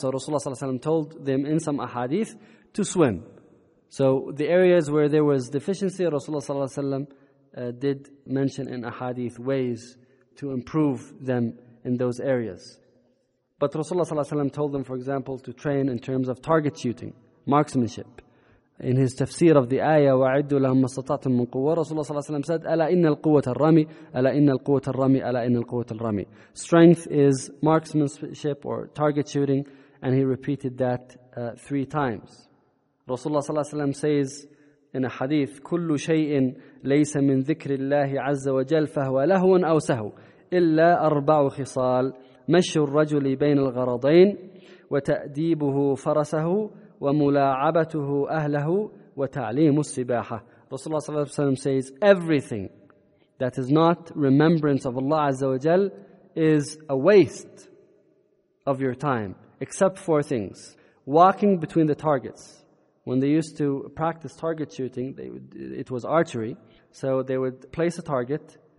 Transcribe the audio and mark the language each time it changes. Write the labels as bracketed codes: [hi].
[en] So Rasulullah ﷺ told them in some ahadith to swim. So the areas where there was deficiency, Rasulullah ﷺ did mention in ahadith ways to improve them in those areas. But Rasulullah ﷺ told them, for example, to train in terms of target shooting, marksmanship. In his tafsir of the ayah, [ar] وَعِدُّوا لَهُمْ مَسْتَطَعْتُمْ مِنْ قُوَّةٍ, [en] Rasulullah ﷺ said, [ar] أَلَا إِنَّ الْقُوَّةَ الرَّمِي, أَلَا إِنَّ الْقُوَّةَ الرَّمِي, أَلَا إِنَّ الْقُوَّةَ الرَّمِي. [en] Strength is marksmanship or target shooting, and he repeated that three times. Rasulullah ﷺ says in a hadith, [ar] كُلُّ شَيْءٍ لَيْسَ مِنْ ذِكْرِ اللَّهِ عَزَّ وَجَلْ فَهُوَ لَهُوًا أَوْ سَهُوَ إِلَّا أَرْبَعُ خِصَالٍ مَشُّ الرَّجُلِ بَيْنَ الْغَرَضَيْنِ وَتَأْدِيبُهُ فَرَسَهُ وَمُلَاعَبَتُهُ أَهْلَهُ وَتَعْلِيمُ السِّبَاحَةِ. [en] Rasulullah ﷺ says, everything that is not remembrance of Allah Azza wa Jal is a waste of your time, except four things. Walking between the targets. When they used to practice target shooting, it was archery, so they would place a target.